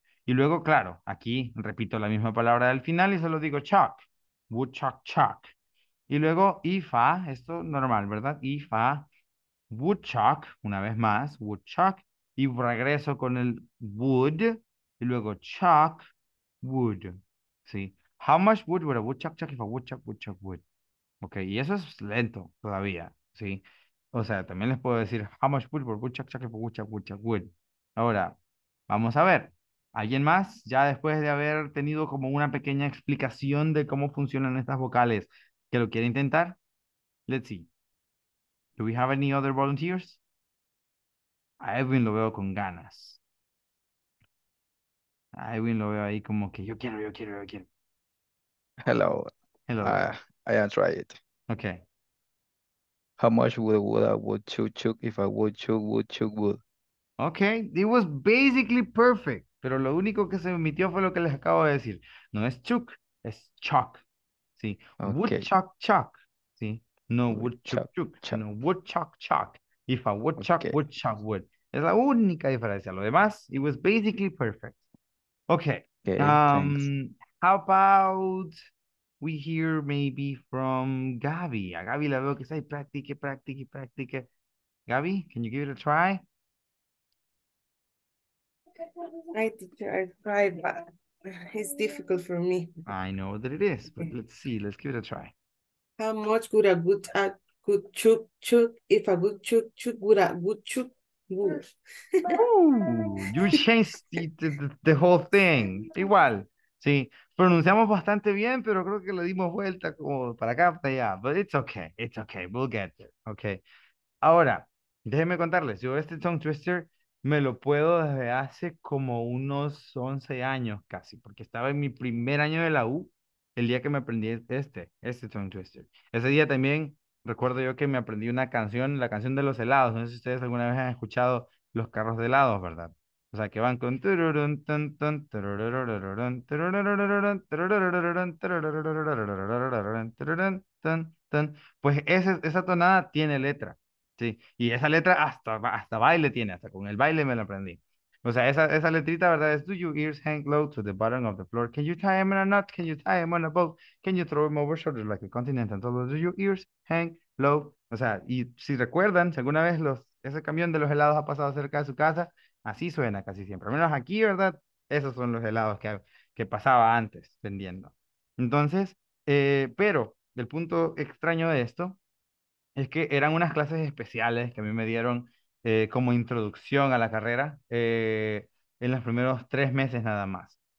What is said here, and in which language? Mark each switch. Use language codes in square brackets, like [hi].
[es] Y luego, claro, aquí repito la misma palabra del final y solo digo chuck, woodchuck, chuck. Y luego ifa, esto normal, ¿verdad? Ifa, woodchuck, una vez más, woodchuck. Y regreso con el wood, y luego chuck, wood, ¿sí? [en] How much wood would a woodchuck chuck if a woodchuck, woodchuck, wood? [es] Okay, y eso es lento todavía, ¿sí? O sea, también les puedo decir [en] how much wood, woodchuck, chuck, if a woodchuck, woodchuck, wood. [es] Ahora, vamos a ver. ¿Alguien más? Ya después de haber tenido como una pequeña explicación de cómo funcionan estas vocales, ¿que lo quiere intentar? [en] Let's see. Do we have any other volunteers? [es] A Edwin lo veo con ganas. A Edwin lo veo ahí como que yo quiero. [en] Hello. Hello. I am try it. Okay. How much would I would chuck if I would chuck wood? Okay, it was basically perfect. [es] Pero lo único que se omitió fue lo que les acabo de decir. No es chuck, es chuck. Sí. Okay. [en] Would chuck chuck. [es] Sí. [en] No would chuck chuck. No would chuck chuck. If I would chuck, okay, would chuck wood. [es] Es la única diferencia. Lo demás, [en] it was basically perfect. [es] Okay. [en] Okay, how about we hear maybe from Gabby. [es] A Gabby la veo que está ahí, practique, practique, practique. [en] Gabby, can you give it a try? Hi, teacher, I tried, but it's difficult for me. I know that it is, but let's see. Let's give it a try. How much would a good could chuck chuck if a good chuck chuck would a good chuck would? You changed the whole thing. [es] Igual. Sí, pronunciamos bastante bien, pero creo que le dimos vuelta como para acá, para allá. [en] But it's okay, we'll get there, okay. [es] Ahora, déjenme contarles, yo este tongue twister Me lo puedo desde hace como unos 11 años casi, porque estaba en mi primer año de la U el día que me aprendí este tongue twister. Ese día también recuerdo yo que me aprendí una canción, la canción de los helados. No sé si ustedes alguna vez han escuchado los carros de helados, ¿verdad? O sea, que van con... Pues esa tonada tiene letra. Sí, y esa letra hasta baile tiene, hasta con el baile me la aprendí. O sea, esa letrita, ¿verdad? [en] Es, do your ears hang low to the bottom of the floor? Can you tie them in a knot? Can you tie them on a bow? Can you throw them over shoulders like a continent? And do your ears hang low? [es] O sea, y si recuerdan, si alguna vez ese camión de los helados ha pasado cerca de su casa, así suena casi siempre. Al menos aquí, ¿verdad? Esos son los helados que pasaba antes vendiendo. Entonces, pero el punto extraño de esto es que eran unas clases especiales que a mí me dieron como introducción a la carrera en los primeros 3 meses nada más.